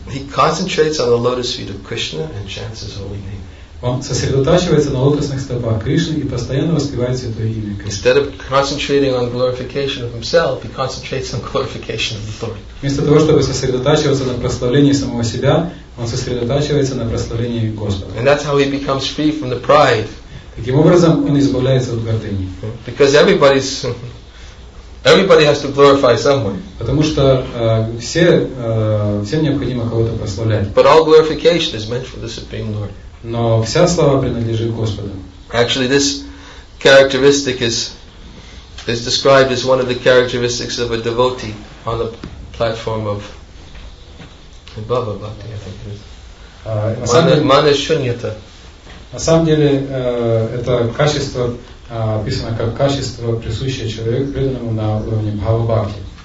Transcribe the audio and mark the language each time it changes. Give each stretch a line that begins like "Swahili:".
English: He concentrates on the lotus feet of Krishna and chants his holy name.
Russian: Он сосредотачивается на лотосных стопах Кришны и постоянно воспевает Святое имя Кришны.
English: Instead of concentrating on glorification of himself, he concentrates on glorification of the Lord.
Russian: Вместо того, чтобы сосредотачиваться на прославлении самого себя, он сосредотачивается на прославлении Господа.
English: And that's how he becomes free from the pride.
Russian: Таким образом, он избавляется от гордыни.
English: Because everybody has to glorify someone.
Russian: Потому что всем необходимо кого-то прославлять.
English: But all glorification is meant for the Supreme Lord.
Russian: Но вся слава принадлежит Господу.
English: Actually, this characteristic is described as one of the characteristics of a devotee on the platform of Bhava Bhakti, I think it is. Mana Shunyata.
Russian: На самом деле, это качество описано как качество, присущее человеку преданному на уровне Бхава Бхакти.